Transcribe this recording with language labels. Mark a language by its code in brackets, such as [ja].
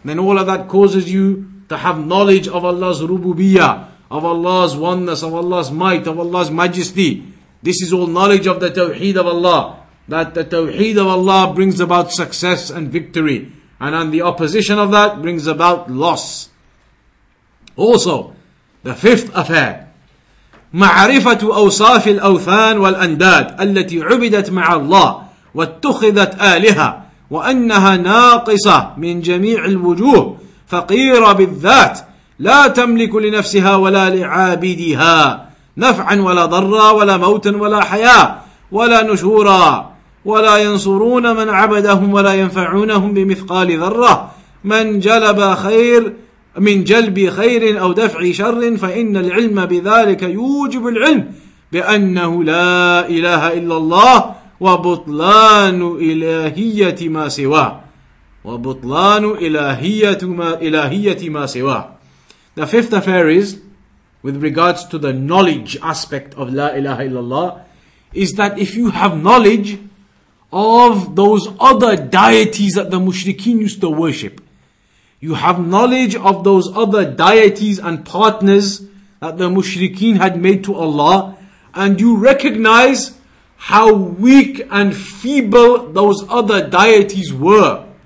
[en] Then all of that causes you to have knowledge of Allah's rububiyyah, of Allah's oneness, of Allah's might, of Allah's majesty. This is all knowledge of the Tawheed of Allah. That the Tawheed of Allah brings about success and victory. And on the opposition of that brings about loss. Also, the fifth affair. [ar] معرفة أوصاف الأوثان والأنداد التي عبدت مع الله واتخذت آلهة وأنها ناقصة من جميع الوجوه فقيرة بالذات لا تملك لنفسها ولا لعابديها نفعا ولا ضرا ولا موتا ولا حياة ولا نشورا ولا ينصرون من عبدهم ولا ينفعونهم بمثقال ذرة من جلب خير من جلب خير أو دفع شر فإن العلم بذلك يوجب العلم بأنه لا إله إلا الله وبطلان إلهية ما سواه وبطلان إلهية ما سواه. [en] The fifth affair is with regards to the knowledge aspect of لا إله إلا الله, is that if you have knowledge of those other deities that the mushrikeen used to worship, you have knowledge of those other deities and partners that the mushrikeen had made to Allah, and you recognize how weak and feeble those other deities were